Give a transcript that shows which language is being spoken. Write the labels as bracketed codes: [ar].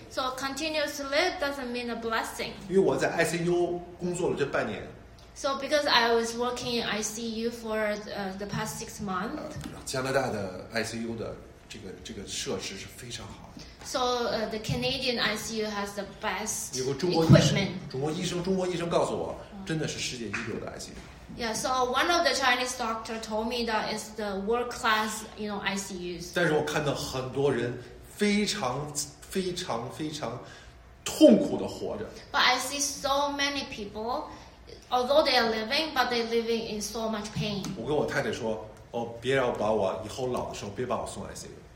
[en] So continuous to live doesn't mean a blessing. [zh] 因为我在 ICU 工作了这半年。 [en] So because I was working in ICU for the past 6 months. [zh] 加拿大的 ICU 的这个设施是非常好的。 [en] So the Canadian ICU has the best equipment. [zh] 有个中国医生，中国医生告诉我，真的是世界一流的 ICU。 [en] Yeah, so one of the Chinese doctor told me that it's the world class, you know, ICUs. [zh] 但是我看到很多人非常非常非常痛苦的活着。 [en] But I see so many people, although they are living, but they're living in so much pain. [zh] 我跟我太太说，哦，别让我把我以后老的时候别把我送 ICU。